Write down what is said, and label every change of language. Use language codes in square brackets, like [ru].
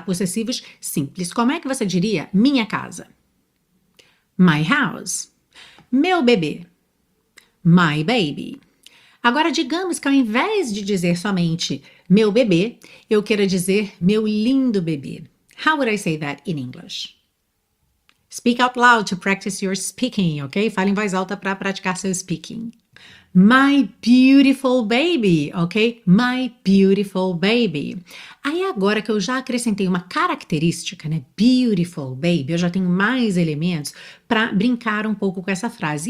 [pt] Possessivos simples. Como é que você diria minha casa? [en] My house. [pt] Meu bebê. [en] My baby. [pt] Agora, digamos que ao invés de dizer somente meu bebê, eu queira dizer meu lindo bebê. [en] How would I say that in English? Speak out loud to practice your speaking, ok? [pt] Fale em voz alta para praticar seu speaking. [en] My beautiful baby, ok? My beautiful baby. [pt] Aí agora que eu já acrescentei uma característica, né? Beautiful baby, eu já tenho mais elementos para brincar um pouco com essa frase.